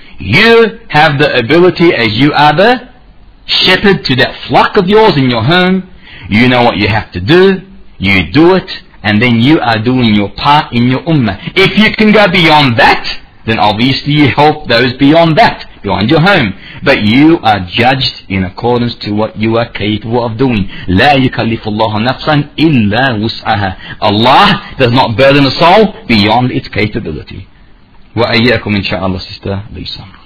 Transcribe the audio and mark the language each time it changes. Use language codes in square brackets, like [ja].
[en] You have the ability, as you are the shepherd to that flock of yours in your home, you know what you have to do, you do it, and then you are doing your part in your ummah. If you can go beyond that, then obviously you help those beyond that, beyond your home. But you are judged in accordance to what you are capable of doing. [ar] لا يكلف الله نفسا إلا وسعها. [en] Allah does not burden a soul beyond its capability. وَأَيَّاكُمْ إِنْ شَاءَ اللَّهُ سِسْتَى لِيْسَى.